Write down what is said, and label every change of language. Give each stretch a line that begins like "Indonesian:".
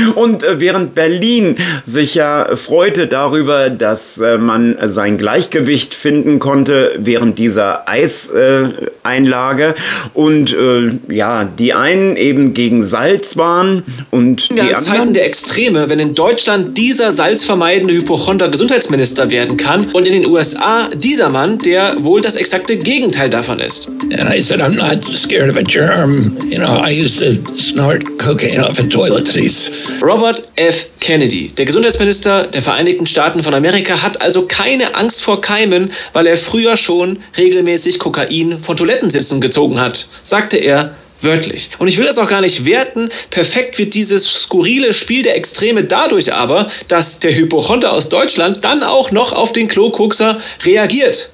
German: Und während Berlin sich ja freute darüber, dass man sein Gleichgewicht finden konnte während dieser Eiseinlage und ja, die einen eben gegen Salz waren und ja, die anderen... Ja, Zeiten der Extreme, wenn in Deutschland dieser salzvermeidende Hypochonder Gesundheitsminister werden kann und in den USA dieser Mann, der wohl das exakte Gegenteil davon ist.
English: And I said, I'm not scared of a germ. You know, I used to snort cocaine off a toilet seat.
German: Robert F. Kennedy, der Gesundheitsminister der Vereinigten Staaten von Amerika, hat also keine Angst vor Keimen, weil er früher schon regelmäßig Kokain von Toilettensitzen gezogen hat, sagte er. Wörtlich. Und ich will das auch gar nicht werten. Perfekt wird dieses skurrile Spiel der Extreme dadurch aber, dass der Hypochonder aus Deutschland dann auch noch auf den Klo-Kokser reagiert.